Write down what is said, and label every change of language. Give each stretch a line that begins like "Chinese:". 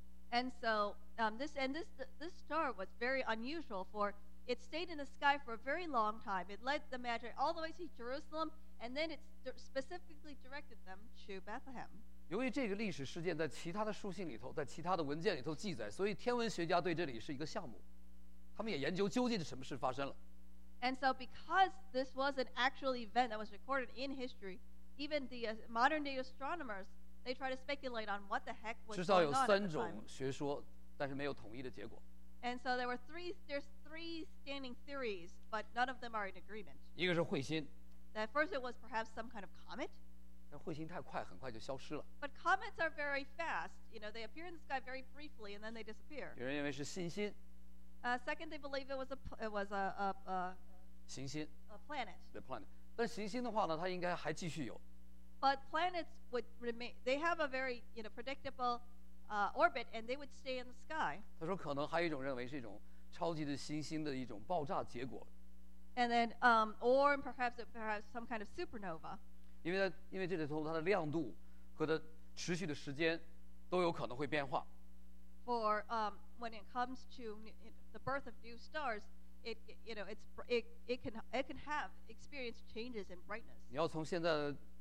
English: And so this star was very unusual, for it stayed in the sky for a very long time. It led the Magi all the way to Jerusalem, and then it specifically directed them to Bethlehem.
Chinese: 由于这个历史事件在其他的书信里头，在其他的文件里头记载，所以天文学家对这里是一个项目，他们也研究究竟是什么事发生了。
English: And so because this was an actual event that was recorded in history, even the modern-day astronomers, they try to speculate on what the heck was going on.
Chinese: 至少有三种学说，但是没有统一的结果。
English: And so there were three. There's three standing theories, but none of them are in agreement.
Chinese: 一个是彗星。
English: At first, it was perhaps some kind of comet.
Chinese: 但彗星太快，很快就消失了。
English: But comets are very fast. You know, they appear in the sky very briefly and then they disappear.
Chinese: 有人认为是星星。
English: Second, they believe it was a
Chinese: 行星。
English: A planet. The planet.
Chinese: 但行星的话呢，它应该还继续有。
English: But planets would remain. They have a very, you know, predictable. Orbit, and they would stay in the sky.
Chinese: 他说可能还有一种认为是一种超级的行星的一种爆炸结果。
English: And then, or perhaps some kind of supernova.
Chinese: 因为这里头它的亮度和它持续的时间都有可能会变化。
English: For when it comes to the birth of new stars, it can have experienced changes in brightness.